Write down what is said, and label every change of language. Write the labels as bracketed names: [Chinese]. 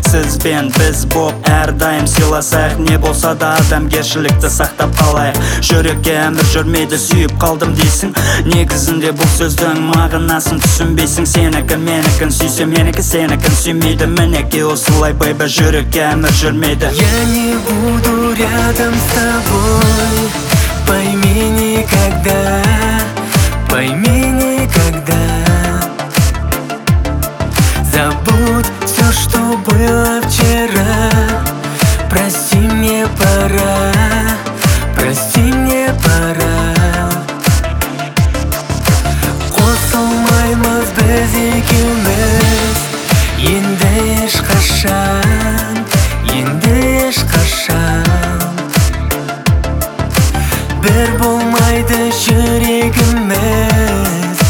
[Kazakh] Сізбен біз боп әрдайым сыйласайық. Не болса да адамгершілікті сақтап қалайық. Жүрекке әмір жүрмейді, сүйіп қалдым дейсің. Негізінде бұл сөздің мағынасын түсінбейсің. Сенікі менікін, сүйсе менікі сенікін. Сүймейді мінекі осылай, бейбі, жүрекке әмір жүрмейді. [Russian] Я не буду рядом с тобой, пойми никогда, пойми никогда. Забудь все, что было вчера. Прости, мне пора, прости, мне пора. What's all my most basic illness? [Kazakh] Енді ешқашан, енді ешқашан. Бір болмайды жүрегіміз.